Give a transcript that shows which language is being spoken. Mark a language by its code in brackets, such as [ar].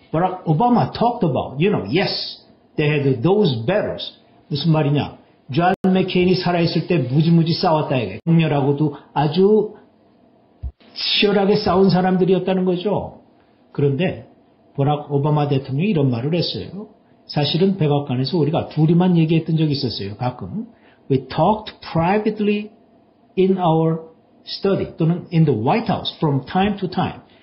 [en] Barack Obama talked about, you know, yes, they had those battles. [ko] 무슨 말이냐? John McCain이 살아있을 때 무지무지 싸웠다. 격렬하고도 아주 치열하게 싸운 사람들이었다는 거죠. 그런데 보락 오바마 대통령이 이런 말을 했어요. 사실은 백악관에서 우리가 둘이만 얘기했던 적이 있었어요. 가끔. [en] We talked privately in our study [ko] 또는 [en] in the White House from time to time.